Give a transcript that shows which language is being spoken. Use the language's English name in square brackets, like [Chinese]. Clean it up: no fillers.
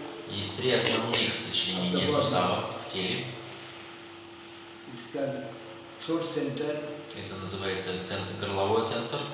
[Russian] Есть три основных сочленения суставов в теле. [English] It's called throat center. [Russian] Это называется центр, горловой центр.